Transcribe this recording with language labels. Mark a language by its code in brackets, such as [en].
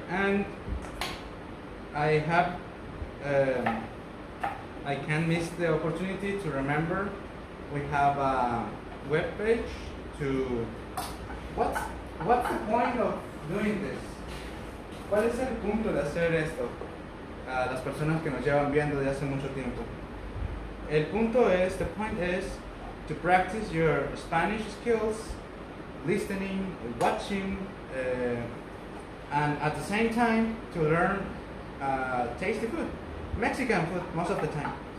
[en] And I have I can't miss the opportunity to remember we have a web page to what's the point of doing this? [es] ¿Cuál es el punto de hacer esto? A las personas que nos llevan viendo desde hace mucho tiempo. El punto es, [en] the point is, to practice your Spanish skills, listening, watching, and at the same time, to learn tasty food, Mexican food, most of the time.